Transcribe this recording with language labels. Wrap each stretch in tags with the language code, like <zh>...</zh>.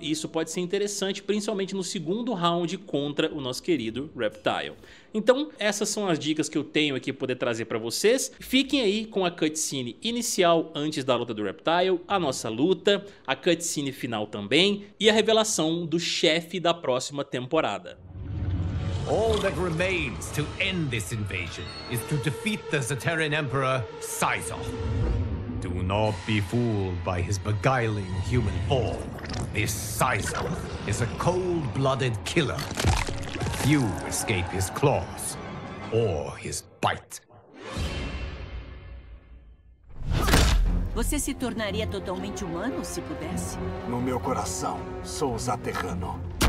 <pt>E isso pode ser interessante, principalmente no segundo round contra o nosso querido Reptile. Então, essas são as dicas que eu tenho aqui para poder trazer para vocês. Fiquem aí com a cutscene inicial antes da luta do Reptile, a nossa luta, a cutscene final também e a revelação do chefe da próxima temporada.</pt> <en>All that remains to end this invasion is to defeat the Zeteran Emperor, Sizoth. Do not be fooled by his beguiling human form. This Sizoth is a cold-blooded killer. Few escape his claws or his bite.</en> <pt>Você se tornaria totalmente humano se pudesse? No meu coração, sou Zaterrano.</pt>